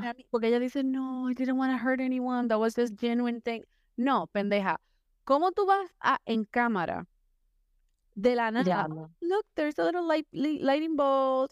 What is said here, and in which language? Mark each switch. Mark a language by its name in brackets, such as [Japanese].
[Spanish] Porque ella dice, no, [English] I didn't want to hurt anyone. That was this genuine thing. [Spanish] No, pendeja. ¿Cómo tú vas a en cámara de la nada? [English] Oh, look, there's a little lightning bolt.